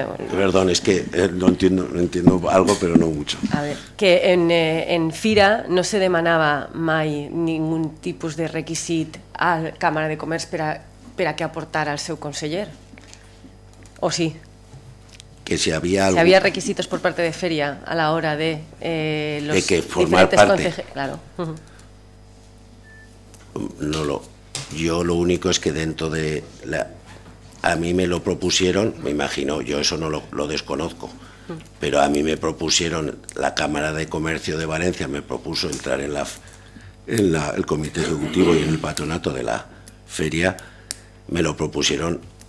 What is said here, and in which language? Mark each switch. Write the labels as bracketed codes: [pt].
[es] Perdón, no entiendo algo, pero no mucho. [ca] A ver, que en Fira no se demanava mai ningún tipus de requisit a Càmera de Comerç per a que aportara el seu conseller, o sí? [es] Que si había algo... Si había requisitos por parte de Feria a la hora de los de que formar parte. Claro. No lo... Yo lo único es que dentro de la... A mí me lo propusieron, me imagino, yo eso no lo desconozco, pero a mí me propusieron, la Cámara de Comercio de Valencia me propuso entrar en el Comité Ejecutivo y en el Patronato de la Feria, me lo propusieron.